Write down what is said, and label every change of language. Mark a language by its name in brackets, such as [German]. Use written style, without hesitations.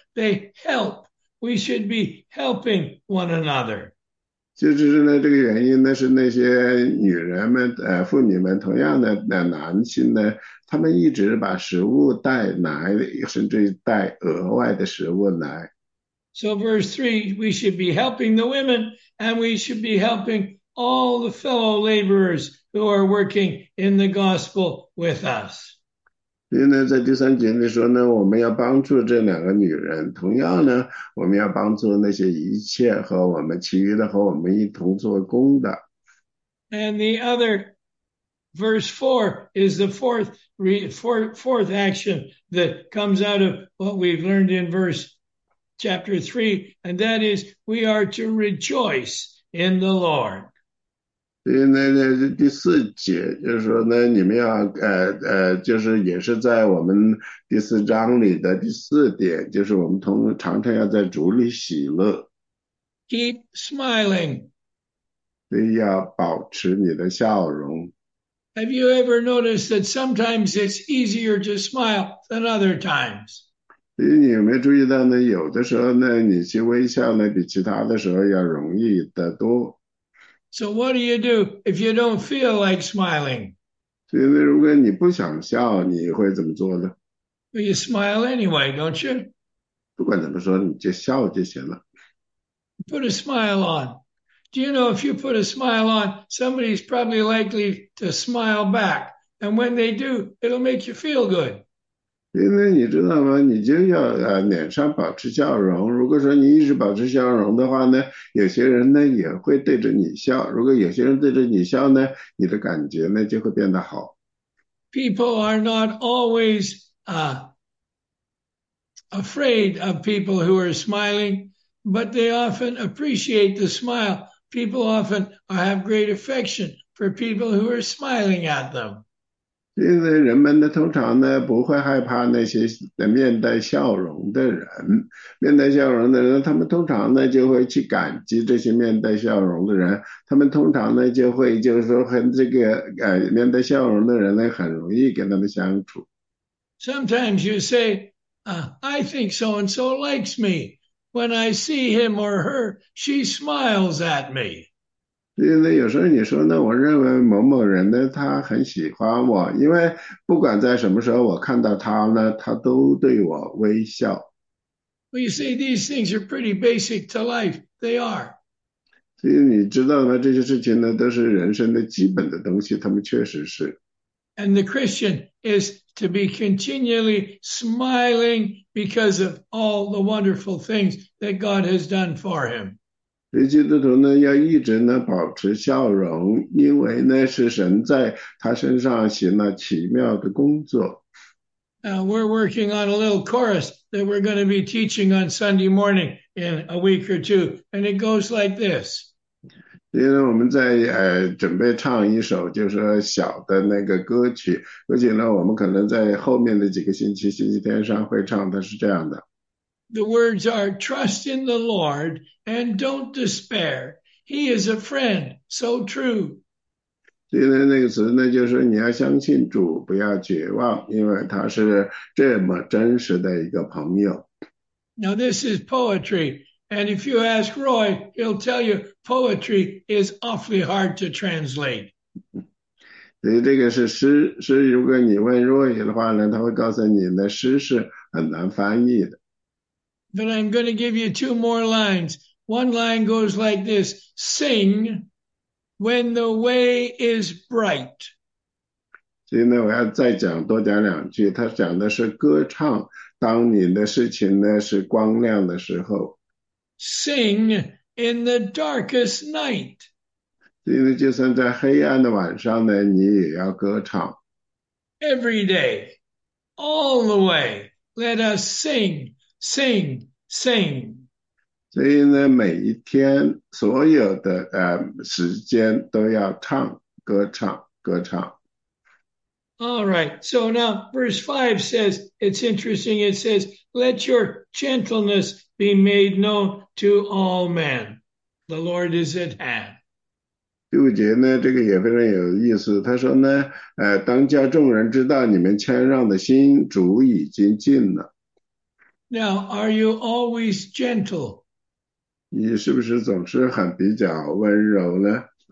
[English] They help. We should be helping one another. [Chinese] 就是呢，这个原因呢，是那些女人们，妇女们，同样的，那男性呢，他们一直把食物带来，甚至带额外的食物来。 [English] So verse 3, we should be helping the women, and we should be helping all the fellow laborers who are working in the gospel with us. [Chinese] 所以呢，在第三节里说呢，我们要帮助这两个女人。同样呢，我们要帮助那些一切和我们其余的和我们一同做工的。 [English] And the other verse 4 is the fourth action that comes out of what we've learned in verse chapter 3, and that is we are to rejoice in the Lord. [Chinese] 所以呢，第四节就是说呢，你们要就是也是在我们第四章里的第四点，就是我们常常要在主里喜乐。 [English] Keep smiling. [Chinese] 所以要保持你的笑容。 [English] Have you ever noticed that sometimes it's easier to smile than other times? [Chinese] 所以你有没有注意到呢？有的时候呢，你去微笑呢，比其他的时候要容易得多。 [English] So what do you do if you don't feel like smiling? [Chinese] 所以如果你不想笑，你会怎么做呢？ [English] Well, you smile anyway, don't you? [Chinese] 不管怎么说，你就笑就行了。 [English] Put a smile on. Do you know if you put a smile on, somebody's probably likely to smile back. And when they do, it'll make you feel good. [Chinese] 因为你知道吗？你就要脸上保持笑容。如果说你一直保持笑容的话呢，有些人呢也会对着你笑。如果有些人对着你笑呢，你的感觉呢就会变得好。 [English] People are not always afraid of people who are smiling, but they often appreciate the smile. People often have great affection for people who are smiling at them. [Chinese] 因为人们呢，通常呢不会害怕那些面带笑容的人。面带笑容的人，他们通常呢就会去感激这些面带笑容的人。他们通常呢就会就是说和这个面带笑容的人呢很容易跟他们相处。 [English] Sometimes you say, I think so and so likes me. When I see him or her, she smiles at me. [Chinese] 因为有时候你说呢，我认为某某人呢，他很喜欢我，因为不管在什么时候我看到他呢，他都对我微笑。 [English] Well, you see, these things are pretty basic to life. They are. [Chinese] 所以你知道呢，这些事情呢，都是人生的基本的东西，他们确实是。 [English] And the Christian is to be continually smiling because of all the wonderful things that God has done for him. [Chinese] 基督徒呢，要一直呢保持笑容，因为呢是神在他身上行了奇妙的工作。 [English] Now, we're working on a little chorus that we're going to be teaching on Sunday morning in a week or two, and it goes like this. [Chinese] 因为我们在准备唱一首就是小的那个歌曲，而且呢我们可能在后面的几个星期，星期天上会唱的，是这样的。 [English] The words are, trust in the Lord and don't despair. He is a friend, so true. [Chinese] 因为那个词呢，就是你要相信主，不要绝望，因为他是这么真实的一个朋友。 [English] Now, this is poetry, and if you ask Roy, he'll tell you poetry is awfully hard to translate. [Chinese] 所以这个是诗，所以如果你问若雨的话呢，他会告诉你呢，诗是很难翻译的。 [English] But I'm going to give you two more lines. One line goes like this: Sing when the way is bright. [Chinese] 所以呢，我要再讲多讲两句。他讲的是歌唱，当你的事情呢是光亮的时候。 [English] Sing in the darkest night. [Chinese] 所以呢，就算在黑暗的晚上呢，你也要歌唱。 [English] Every day, all the way, let us sing, sing, sing. [Chinese] 所以呢，每一天所有的时间都要唱，歌唱，歌唱。 [English] All right, so now verse 5 says, it's interesting, it says, let your gentleness be made known to all men. The Lord is at hand. [Chinese] 六节呢，这个也非常有意思。他说呢，当叫众人知道你们谦让的心，主已经尽了。 [English] Now, are you always gentle? [Chinese] 你是不是总是很比较温柔呢？